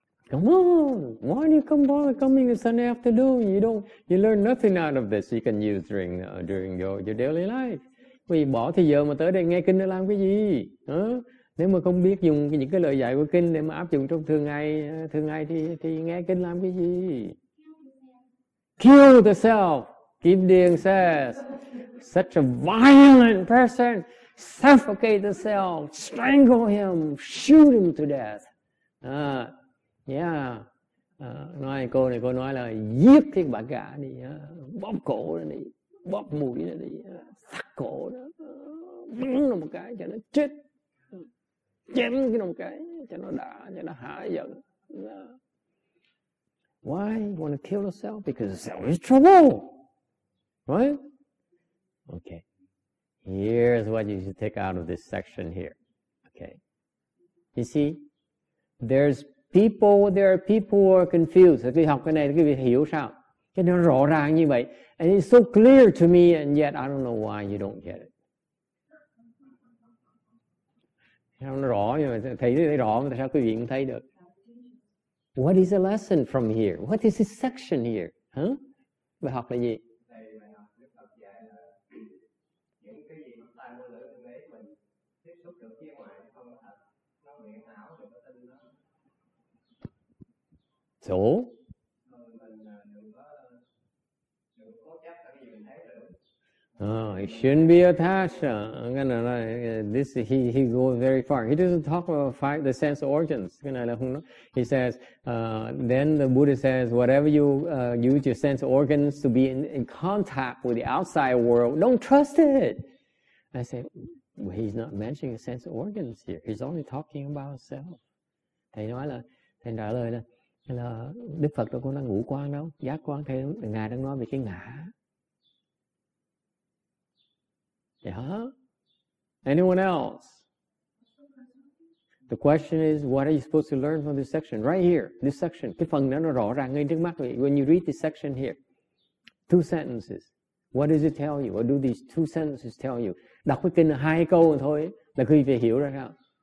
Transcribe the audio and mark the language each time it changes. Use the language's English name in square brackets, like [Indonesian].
[English] Come on, why do you come bother coming the Sunday afternoon? You learn nothing out of this you can use during your daily life. [Vietnamese] Vì bỏ thời giờ mà tới đây nghe kinh để làm cái gì? Nếu mà không biết dùng những cái lời dạy của kinh để mà áp dụng trong thường ngày thì nghe kinh làm cái gì? [English] Kill the self, Kim Điền says. Such a violent person. Suffocate the self, strangle him, shoot him to death. Yeah, [Vietnamese] Nói cô này cô nói là giết cái bà gà đi, bóp cổ nó đi, bóp mũi nó đi, sắc cổ nó, bắn nó một cái cho nó chết, chém nó một cái cho nó đã, cho nó hả giận. [English] Why you want to kill yourself? Because self is trouble. Right? Okay. Here's what you should take out of this section here. Okay. You see, there are people who are confused. [Vietnamese] Khi học cái này, quý vị hiểu sao? Cho nên rõ ràng như vậy. [English] And it's so clear to me, and yet I don't know why you don't get it. [Vietnamese] Nó rõ, nhưng mà thấy rõ, tại sao quý vị không thấy được? [English] What is the lesson from here? What is this section here? Huh? [Vietnamese] Bài học là gì? [English] So? It shouldn't be attached. I'm gonna this he goes very far. He doesn't talk about the sense of organs. He says then the Buddha says whatever you use your sense organs to be in contact with the outside world, don't trust it. I say, well, he's not mentioning the sense organs here. He's only talking about self. [Vietnamese] Thầy nói là, thầy trả lời là Đức Phật đâu có năng ngũ quan đâu, giác quan. Thầy ngài đang nói về cái ngã. [English] Yeah. Anyone else? The question is, what are you supposed to learn from this section? Right here, this section. [Vietnamese] Cái phần nó rõ ràng ngay trước mắt. [English] When you read this section here, two sentences. What does it tell you? What do these two sentences tell you? [Vietnamese] Đọc cái kinh là hai câu thôi, là quý vị hiểu ra sao?